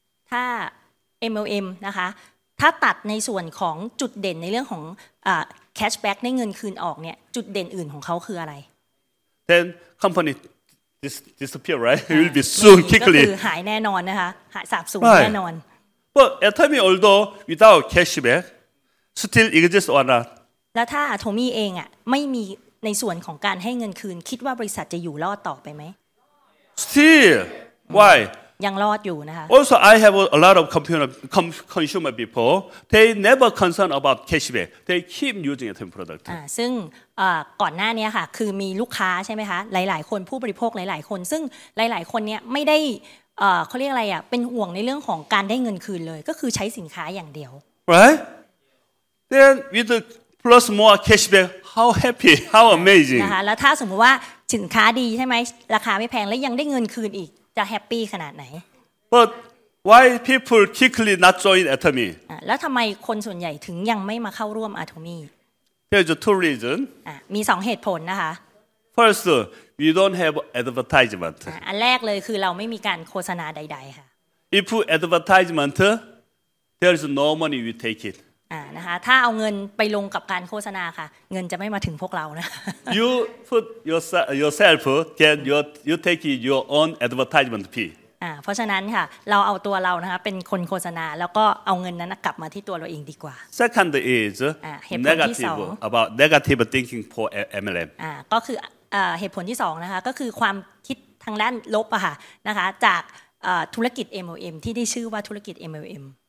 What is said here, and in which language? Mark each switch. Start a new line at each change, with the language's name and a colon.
Thai: ถ้า MLM นะคะถ้าตัดในส่วนของจุดเด่นในเรื่องของcashback ในเงินคืนออกเนี่ยจุดเด่นอื่นของเขาคืออะไร
English: Then company disappear right it will be soon quickly
Thai: ก็คือหายแน่นอนนะคะหายสาบสูญแน่นอน
English: But Atomy although without cashback still exists or not
Thai: แล้วถ้า Atomy เองอ่ะไม่มีในส่วนของการให้เงินคืนคิดว่าบริษัทจะอยู่รอดต่อไปไหม
English: Still why
Thai: ยังรอดอยู่นะคะ
English: Also I have a lot of consumer people they never concerned about cashback they keep using Atomy product
Thai: ซึ่งก่อนหน้านี้ค่ะคือมีลูกค้าใช่ไหมคะหลายๆคนผู้บริโภคหลายๆคนซึ่งหลายๆคนเนี้ยไม่ได้เขาเรียกอะไรอ่ะเป็นห่วงในเรื่องของการได้เงินคืนเลยก็คือใช้สินค้าอย่างเดียว
English: right then with the plus more cashback how happy how amazing
Thai: นะคะแล้วถ้าสมมติว่าสินค้าดีใช่ไหมราคาไม่แพงและยังได้เงินคืนอีกจะแฮปปี้ขนาดไหน
English: but why people quickly not join Atomy
Thai: แล้วทำไมคนส่วนใหญ่ถึงยังไม่มาเข้าร่วม Atomy
English: there's two reasons
Thai: มีสองเหตุผลนะคะ
English: firstWe don't have advertisement.
Thai: อันแรกเลยคือเราไม่มีการโฆษณาใดๆค่ะ
English: If advertisement, There is no money we take it.
Thai: นะคะถ้าเอาเงินไปลงกับการโฆษณาค่ะเงินจะไม่มาถึงพวกเรานะ
English: You put yourself get you take your own advertisement fee.
Thai: เพราะฉะนั้นค่ะเราเอาตัวเรานะคะเป็นคนโฆษณาแล้วก็เอาเงินนั้นกลับมาที่ตัวเราเองดีกว่า
English: Second is negative about negative thinking for MLM.
Thai: ก็คือเหตุผลที่สองนะคะก็คือความคิดทางด้านลบอะค่ะนะคะจากธุรกิจ MLM ที่ได้ชื่อว่าธุรกิจ MLM